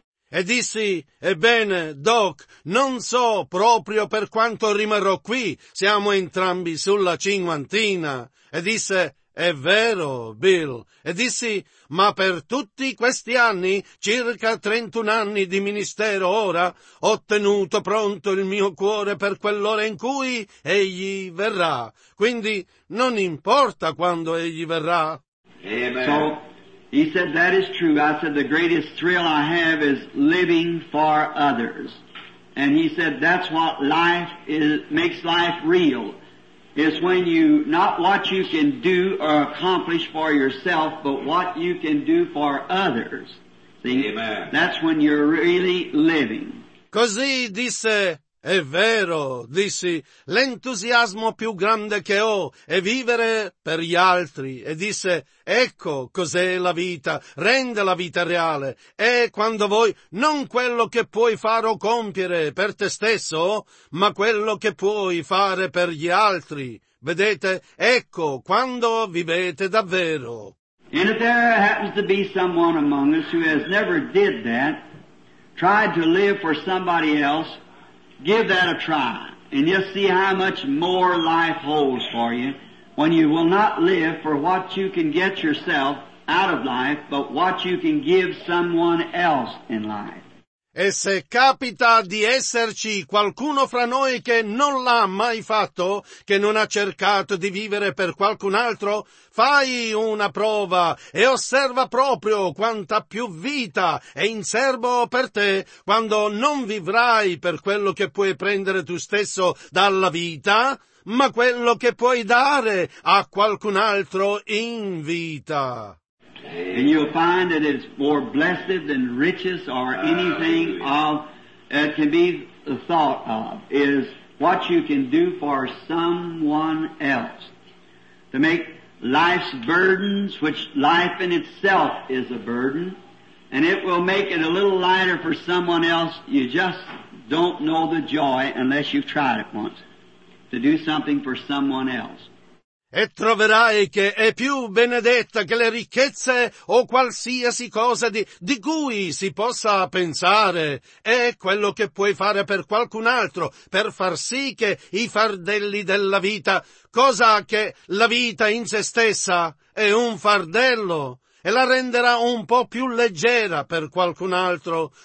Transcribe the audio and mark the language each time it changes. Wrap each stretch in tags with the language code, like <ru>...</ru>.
<it>E dissi, ebbene, Doc, non so proprio per quanto rimarrò qui. Siamo entrambi sulla cinquantina. E disse, è vero, Bill. E dissi, ma per tutti questi anni, circa 31 anni di ministero ora, ho tenuto pronto il mio cuore per quell'ora in cui egli verrà. Quindi non importa quando egli verrà.</it> <en>Amen. So, he said, that is true. I said, the greatest thrill I have is living for others. And he said, that's what life is, makes life real. Is when you, not what you can do or accomplish for yourself, but what you can do for others. See? Amen. That's when you're really living.</en> <it>Così disse, è vero, dissi, l'entusiasmo più grande che ho è vivere per gli altri. E disse, ecco cos'è la vita, rende la vita reale. È quando vuoi, non quello che puoi fare o compiere per te stesso, ma quello che puoi fare per gli altri. Vedete, ecco quando vivete davvero.</it> <en>And if there happens to be someone among us who has never did that, tried to live for somebody else, give that a try, and you'll see how much more life holds for you when you will not live for what you can get yourself out of life, but what you can give someone else in life.</en> <it>E se capita di esserci qualcuno fra noi che non l'ha mai fatto, che non ha cercato di vivere per qualcun altro, fai una prova e osserva proprio quanta più vita è in serbo per te quando non vivrai per quello che puoi prendere tu stesso dalla vita, ma quello che puoi dare a qualcun altro in vita.</it> <en>And you'll find that it's more blessed than riches or anything of that can be thought of, is what you can do for someone else. To make life's burdens, which life in itself is a burden, and it will make it a little lighter for someone else, you just don't know the joy unless you've tried it once, to do something for someone else.</en> <it>E troverai che è più benedetta che le ricchezze o qualsiasi cosa di cui si possa pensare. È quello che puoi fare per qualcun altro, per far sì che i fardelli della vita, cosa che la vita in se stessa è un fardello, e la renderà un po' più leggera per qualcun altro.</it>